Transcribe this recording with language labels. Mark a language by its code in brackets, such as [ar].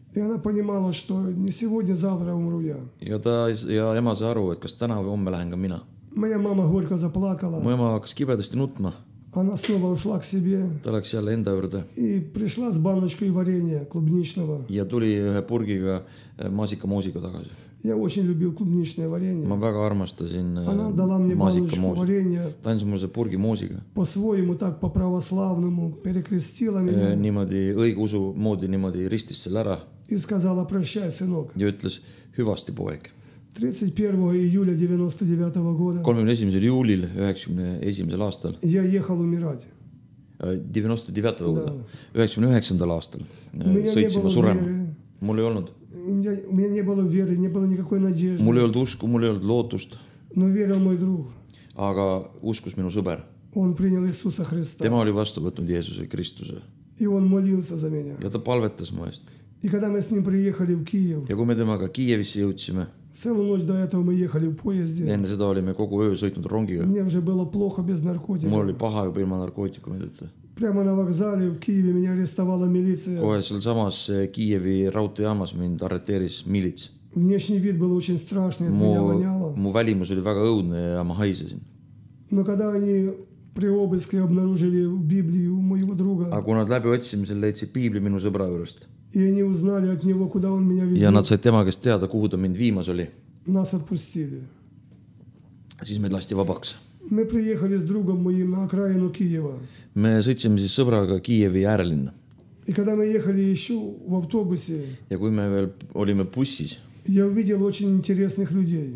[ru] И она понимала, что не сегодня, завтра умру я. [et] Ja ema sai aru, et kas täna või homme lähen ka mina. [ru] Моя мама горько заплакала. [et] Mu ema hakkas kibedasti nutma. [ru] Она снова ушла к себе. [et] Ta läks jälle enda juurde. [ru] И пришла с баночкой варенья клубничного. [et] Ja tuli ühe purgiga maasikamoosiga tagasi. [ru] Я очень любил клубничное варенье. [et] Ma väga armastasin maasikamoosi. [ru] Она дала мне баночку варенья. [et] Ta andis mulle see purgi moosiga. [ru] По-своему, так по-православному, перекрестила меня. [et] Niimoodi õigeusu moodi, niimoodi ristis selle ära. [ru] И сказала прощай, сынок. [et] Ja ütles hüvasti, poeg. [ru] 31 июля 99 года. [et] 31. juulil 91. aastal. [ru] Я ехал умирать. 99 года. [et] 99 aastal. Sõitsin ma surema. Mul ei olnud. [ru] У меня не было веры, не было никакой надежды. [et] Mul ei olnud usku, mul ei olnud lootust. [ru] Но верил мой друг. [et] Aga uskus minu sõber. [ru] Он принял Иисуса Христа. [et] Tema oli vastu võtnud Jeesuse Kristuse. [ru] И он молился за меня. [et] Ja ta palvetas mu eest. [ru] И когда мы с ним приехали в Киев. [et] Ja kui me temaga Kiievisse jõudsime. [ru] Целую ночь до этого мы ехали в поезде. [et] Enne seda olime kogu öö sõitnud rongiga. [ru] Мне уже было плохо без наркотиков. [et] Mul oli paha juba ilma narkootikumi. [ru] Прямо на вокзале в Киеве меня арестовала милиция. [et] Kohe seal samas Kiievi raudteejaamas mind arreteeris milits. [ru] Внешний вид был очень страшный, от меня воняло. [et] Mu välimus oli väga õudne ja ma haisesin. [ru] Но когда они при обыске обнаружили Библию моего друга. [et] А kui nad läbi otsimisel leidsid Biibli minu sõbra juurest. [ru] И они узнали от него, куда он меня везет. [et] Ja nad said tema käest teada, kuhu ta mind viimas oli. [ru] Нас отпустили. [et] Siis meid lasti vabaks. [ru] Мы приехали с другом моим на окраину Киева. [et] Me sõitsime siis sõbraga Kiievi äärelinna. [ru] И когда мы ехали еще в автобусе. [et] Ja kui me veel olime bussis. [ru] Я увидел очень интересных людей.